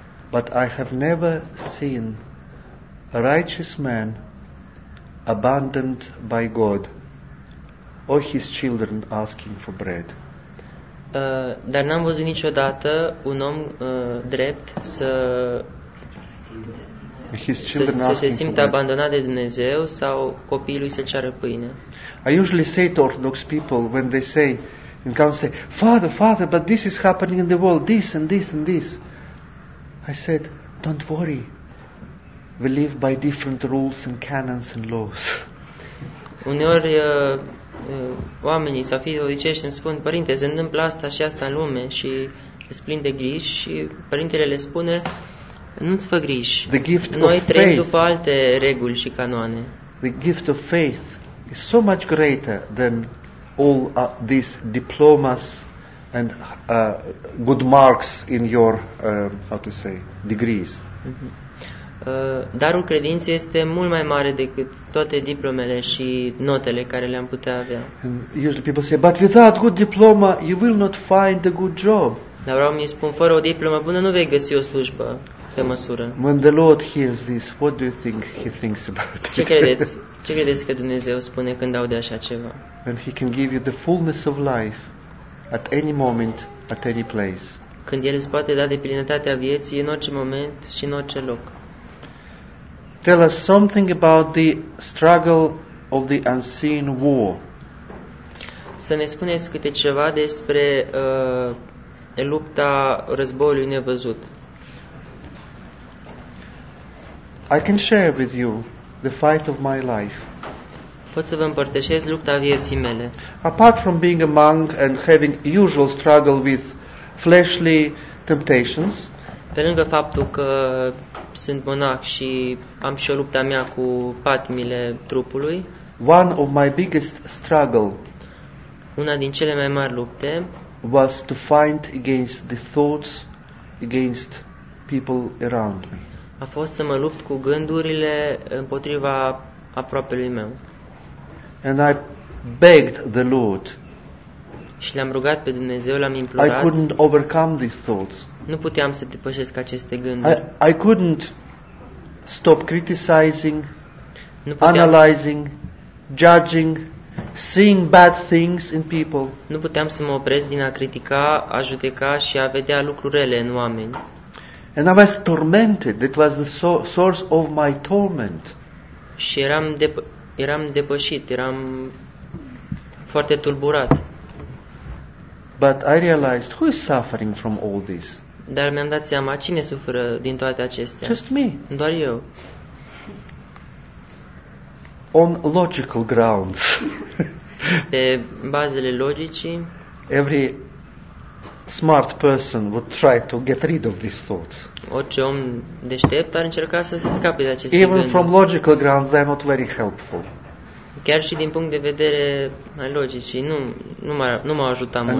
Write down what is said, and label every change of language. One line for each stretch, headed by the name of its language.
English: But I have never seen a righteous man abandoned by God or his children asking for bread.
Romanian: Dar n-am văzut niciodată un om drept să se simte abandonat de Dumnezeu sau copiii lui să ceară pâine.
English: I usually say to Orthodox people when they say and come and say, Father, Father, but this is happening in the world, this and this and this. I said, don't worry. We live by different rules and canons and laws.
Romanian: Uneori oamenii sau fiii duhovnicești îmi spun, Părinte, se întâmplă asta și asta în lume și îți plin de griji și Părintele le spune, nu-ți fă griji.
English: The gift
Romanian: noi
English: of
Romanian: trăim
English: faith,
Romanian: după alte reguli și canoane.
English: The gift of faith is so much greater than all these diplomas and good marks in your how to say degrees.
Romanian: Darul credinței este mult mai mare decât toate diplomele și notele care le-am putea avea.
English: And usually people say, but without good diploma, you will not find a good job.
Romanian: Dar vreau să spun, fără o diplomă bună, nu vei găsi o slujbă pe măsură.
English: When the Lord hears this, what do you think he thinks about it?
Romanian: Ce credeți că Dumnezeu spune când aude așa ceva?
English: And he can give you the fullness of life at any moment, at any place.
Romanian: Când el îți poate da deplinătatea vieții în orice moment și în orice loc.
English: Tell us something about the struggle of the unseen war.
Romanian: Să ne spuneți câte ceva despre lupta războiului nevăzut.
English: I can share with you the fight of my life.
Romanian: Pot să vă împărtășesc lupta vieții mele.
English: Apart from being a monk and having usual struggle with fleshly temptations,
Romanian: pe lângă faptul că sunt monac și am și o lupta mea cu patimile trupului,
English: one of my biggest struggle,
Romanian: una din cele mai mari lupte,
English: was to fight against the thoughts against people around me.
Romanian: A fost să mă lupt cu gândurile împotriva aproapelui meu.
English: And I begged the Lord.
Romanian: Și l-am rugat pe Dumnezeu, l-am implorat.
English: I couldn't overcome these thoughts.
Romanian: Nu puteam să depășesc aceste gânduri.
English: I couldn't stop criticizing, analyzing, judging, seeing bad things in people.
Romanian: Nu puteam să mă opresc din a critica, a judeca și a vedea lucruri rele în oameni.
English: And I was tormented. That was the source of my torment.
Romanian: Și eram depășit, eram foarte tulburat.
English: But I realized, who is suffering from all this?
Romanian: Dar mi-am dat seama, cine suferă din toate acestea?
English: Just me.
Romanian: Doar eu.
English: On logical grounds.
Romanian: Pe bazele logicii.
English: Every smart person would try to get rid of these thoughts.
Romanian: Orice om deștept ar încerca să se scape de aceste gânduri.
English: Even from logical grounds, they are not very helpful.
Romanian: Chiar și din punct de vedere mai logic, nu m-a ajutat mult.